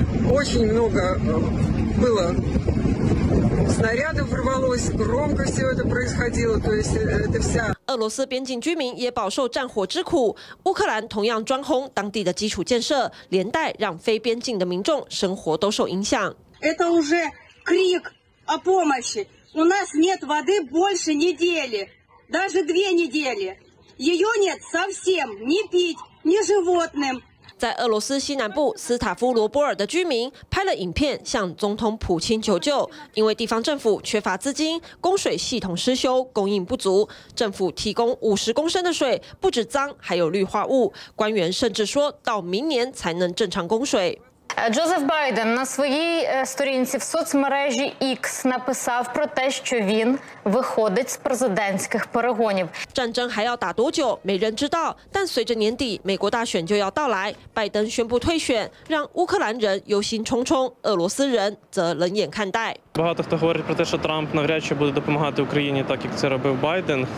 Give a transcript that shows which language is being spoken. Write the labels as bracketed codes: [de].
[ru] Очень много было снарядов рвалось, громко все это происходило, то есть это вся... [zh] 俄罗斯边境居民也饱受战火之苦，乌克兰同样专轰当地的基础建设，连带让非边境的民众生活都受影响。 [ru] Это уже крик о помощи. У нас нет воды больше недели, даже 2 недели. Ее нет совсем, ни пить, ни животным. [zh] 在俄罗斯西南部斯塔夫罗波尔的居民拍了影片向总统普京求救，因为地方政府缺乏资金，供水系统失修，供应不足，政府提供50公升的水，不止脏还有氯化物，官员甚至说到明年才能正常供水。 [uk] Джозеф Байден на своїй сторінці в соцмережі X написав про те, що він виходить з президентських перегонів. [zh] 战争还要打多久，没人知道。但随着年底美国大选就要到来，拜登宣布退选，让乌克兰人忧心忡忡，俄罗斯人则冷眼看待。 [uk] багато хто говорить про те, що Трамп навряд чи буде допомагати Україні так, як це робив Байден.